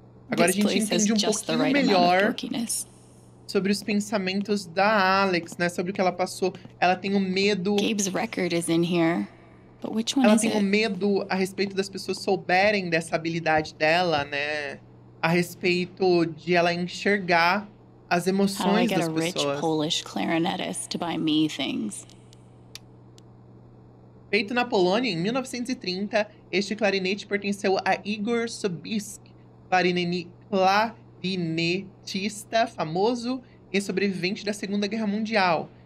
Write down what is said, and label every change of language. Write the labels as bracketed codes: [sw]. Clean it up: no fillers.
[pt] Agora a gente entende um pouquinho melhor sobre os pensamentos da Alex, né? Sobre o que ela passou. Ela tem um medo. [en] Gabe's record is in here. But which one is it? [pt] Ela tem um medo a respeito das pessoas souberem dessa habilidade dela, né? A respeito de ela enxergar as emoções das pessoas. [en] How I get a rich Polish clarinetist to buy me things. [pt] Feito na Polônia, em 1930, este clarinete pertenceu a Igor Sobieski, clarinetista famoso e sobrevivente da Segunda Guerra Mundial.